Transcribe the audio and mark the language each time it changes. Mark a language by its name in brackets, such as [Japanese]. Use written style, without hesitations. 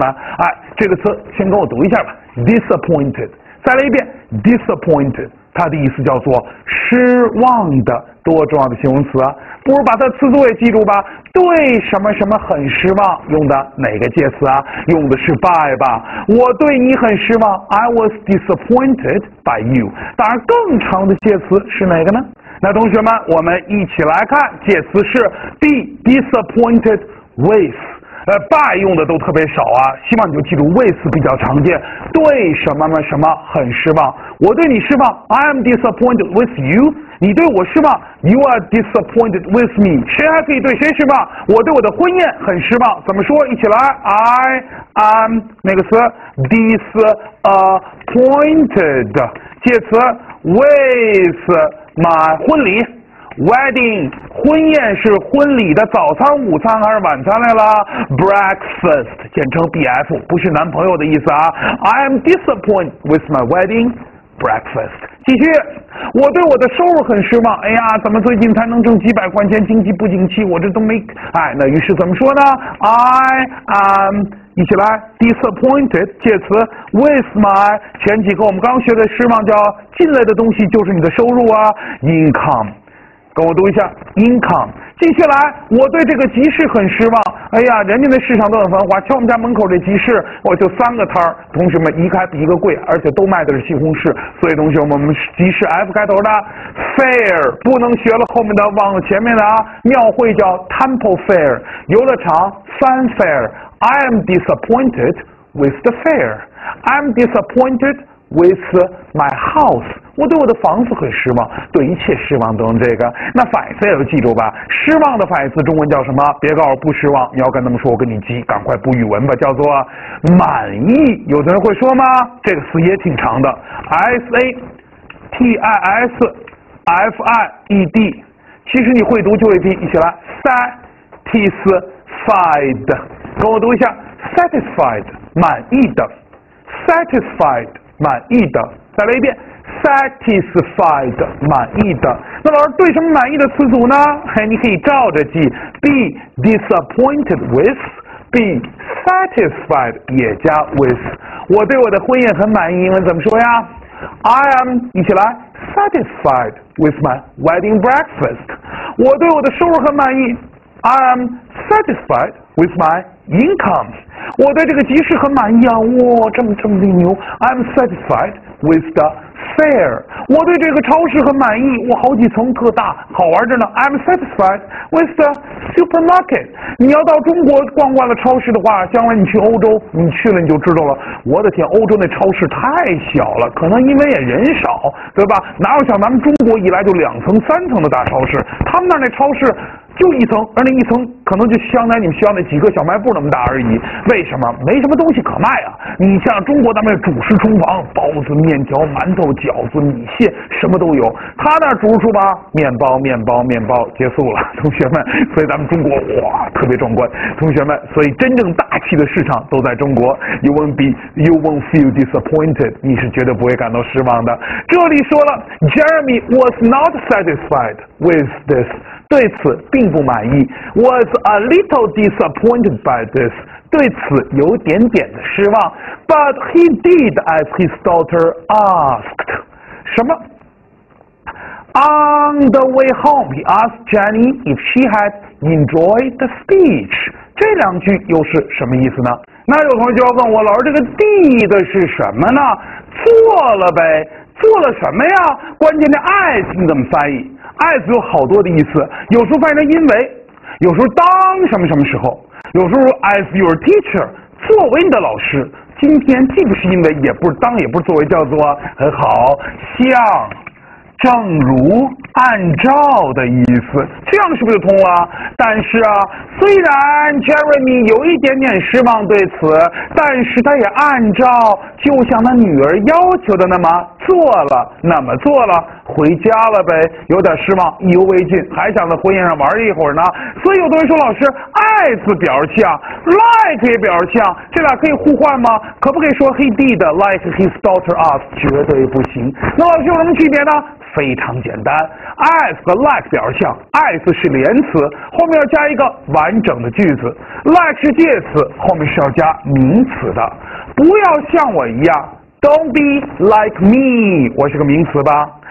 [Chinese] 哎，这个词先跟我读一下吧。Disappointed， 再来一遍。 Disappointed， 它的意思叫做失望的，多重要的形容词啊！不如把它词组也记住吧。对什么什么很失望，用的哪个介词啊？用的是 by 吧。我对你很失望， [English] I was disappointed by you。 [Chinese] 当然更长的介词是哪个呢？那同学们，我们一起来看，介词是 [English] be disappointed with。 [Chinese] by 用的都特别少啊，希望你就记住 with 比较常见。对什么什么很失望，我对你失望， [English] I am disappointed with you。 [Chinese] 你对我失望， [English] You are disappointed with me。 [Chinese] 谁还可以对谁失望？我对我的婚宴很失望。怎么说？一起来。 [English] I am [Chinese] 那个词 [English] disappointed， [Chinese] 介词 [English] with my [Chinese] 婚礼 [English] wedding。婚宴是婚礼的早餐午餐还是晚餐来了？ [Chinese] breakfast， 简称 BF， 不是男朋友的意思啊。 [English] I am disappointed with my wedding breakfast。 [Chinese] 继续。我对我的收入很失望，哎呀，怎么最近才能挣几百块钱，经济不景气，我这都没，哎，那于是怎么说呢？ [English] I am [Chinese] 一起来 disappointed， 介词 [English] with my， [Chinese] 前几个我们刚学的失望叫进来的东西就是你的收入啊， income， 跟我读一下 income。继续来，我对这个集市很失望，哎呀，人家的市场都很繁华，瞧我们家门口这集市，我就三个摊儿，同学们一开比一个贵，而且都卖的是西红柿，所以同学们，我们集市 F 开头的 fair 不能学了，后面的忘了前面的啊，庙会叫 temple fair， 游乐场 fun fair。 [English] I am disappointed with the fair， I am disappointed with my house。 [Chinese] 我对我的房子很失望，对一切失望都用这个。那反义词也记住吧，失望的反义词中文叫什么？别告诉我不失望，你要跟他们说我跟你急，赶快补语文吧，叫做满意。有的人会说吗？这个词也挺长的， [English] S A T I S F I E D， [Chinese] 其实你会读就会拼，一起来 satisfied， 跟我读一下 satisfied， 满意的 satisfied， 满意的，再来一遍 satisfied， 满意的。那老师对什么满意的词组呢？哎，你可以照着记 [English] be disappointed with， be satisfied [Chinese] 也加 with， 我对我的婚姻很满意，英文怎么说呀？ [English] I am [Chinese] 一起来 [English] satisfied with my wedding breakfast， [Chinese] 我对我的收入很满意。 [English] I am satisfied with my income， [Chinese] 我对这个集市很满意啊，哇，这么的牛。 [English] I am satisfied with the fair， [Chinese] 我对这个超市很满意，哇，好几层特大，好玩着呢。 [English] I'm satisfied with the supermarket， [Chinese] 你要到中国逛逛了超市的话，将来你去欧洲，你去了你就知道了，我的天，欧洲那超市太小了，可能因为也人少，对吧？哪有像咱们中国一来就两层三层的大超市，他们那超市就一层，而那一层可能就相当于你们学校那几个小卖部那么大而已。为什么？没什么东西可卖啊。你像中国咱们主食厨房，包子、面条、馒头、饺子、米线，什么都有。他那主食厨房，面包、面包、面包，结束了，同学们。所以咱们中国哇，特别壮观，同学们。所以真正大气的市场都在中国。 [English] You won't feel disappointed， [Chinese] 你是绝对不会感到失望的。这里说了 [English] ，Jeremy was not satisfied with this。 [Chinese] 对此并不满意 ， [English] was a little disappointed by this， [Chinese] 对此有点点的失望。 [English] But he did as his daughter asked。 [Chinese] 什么 [English] ？On the way home, he asked Jenny if she had enjoyed the speech。 [Chinese] 这两句又是什么意思呢？那有同学就要问我，老师，这个 did 是什么呢？做了呗，做了什么呀？关键的 as 你怎么翻译？ as 有好多的意思，有时候翻译成因为，有时候当什么什么时候，有时候 [English] as your teacher， [Chinese] 作为你的老师。今天既不是因为，也不是当，也不是作为，叫做很好，像，正如，按照的意思，这样是不是就通了？但是啊，虽然 Jeremy 有一点点失望对此，但是他也按照就像他女儿要求的那么做了，那么做了，回家了呗，有点失望，意犹未尽，还想在婚宴上玩一会儿呢。所以有同学说，老师 ，as 表示像 ，like 也表示像，这俩可以互换吗？ [English] 可不可以说 he did like his daughter asked？ [Chinese] 绝对不行。那老师有什么区别呢？非常简单 ，as 和 like 表示像 ，as 是连词，后面要加一个完整的句子 ；like 是介词，后面是要加名词的。不要像我一样 ， [English] don't be like me， [Chinese] 我是个名词吧？